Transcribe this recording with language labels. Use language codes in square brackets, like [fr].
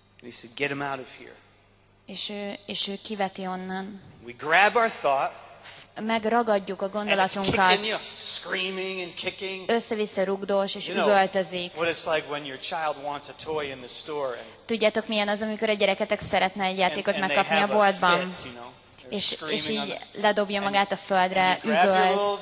[en] And he said, get him out of here. [hu] És ő kiveti onnan. [en] We grab our thought, [hu] megragadjuk a gondolatunkat. [en] And it's kicking you, screaming and kicking. [hu] Össze-vissza rugdós és üvöltözik. [en] What it's like when your child wants a toy in the store. [hu] Tudjátok, milyen az, amikor a gyereketek szeretne egy játékot megkapni a boltban. És így ledobja magát a földre, üvölt.